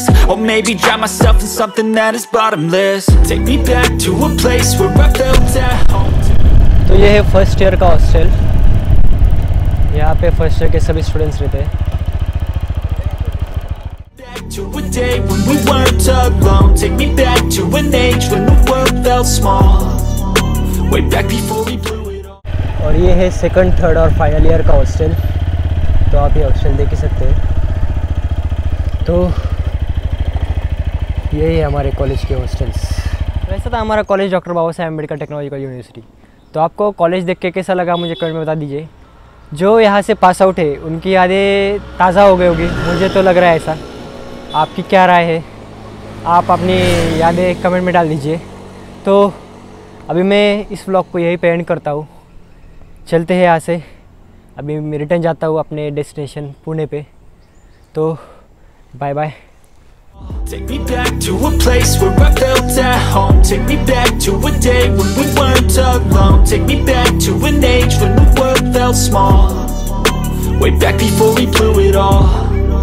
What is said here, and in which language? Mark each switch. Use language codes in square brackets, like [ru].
[en] Or maybe drown myself in something that is bottomless. Take me back to a place where I felt at home. [hi] तो ये है first year का hostel. यहाँ पे first year के सभी students रहते हैं. [en] Take me back to an age when the world felt small. Way back before we blew it all. [hi] और ये है सेकंड, थर्ड और फाइनल ईयर का हॉस्टल. तो आप ये हॉस्टल देख ही सकते हैं. तो यही है हमारे कॉलेज के हॉस्टल्स. वैसे तो हमारा college doctor Baba Saheb Ambedkar technological university. तो आपको कॉलेज देख के कैसा लगा मुझे कमेंट में बता दीजिए. जो यहाँ से पास आउट है उनकी यादें ताज़ा हो गई होगी, मुझे तो लग रहा है ऐसा. आपकी क्या राय है, आप अपनी यादें कमेंट में डाल दीजिए. तो अभी मैं इस व्लॉग को यहीं पे एंड करता हूँ. चलते हैं यहाँ से. अभी मैं रिटर्न जाता हूँ अपने डेस्टिनेशन पुणे पे. तो bye bye. [en] Take me back to a place where I felt at home. Take me back to a day when we weren't alone. Take me back to an age when the world felt small. Way back before we blew it all.